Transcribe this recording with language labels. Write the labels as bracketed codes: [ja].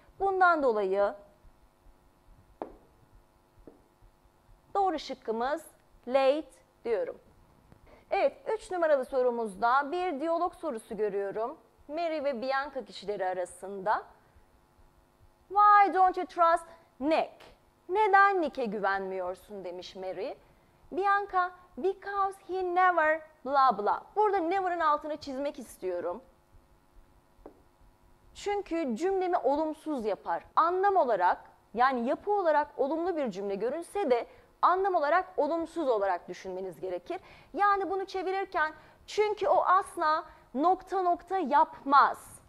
[tr] Bundan dolayı doğru şıkkımız late diyorum. Evet, 3 numaralı sorumuzda bir diyalog sorusu görüyorum. Mary ve Bianca kişileri arasında. [en] Why don't you trust Nick? [tr] Neden Nick'e güvenmiyorsun demiş Mary. [en] Bianca, because he never blah blah. [tr] Burada never'ın altını çizmek istiyorum. Çünkü cümlemi olumsuz yapar. Anlam olarak, yani yapı olarak olumlu bir cümle görünse de anlam olarak olumsuz olarak düşünmeniz gerekir. Yani bunu çevirirken, çünkü o asla nokta nokta yapmaz.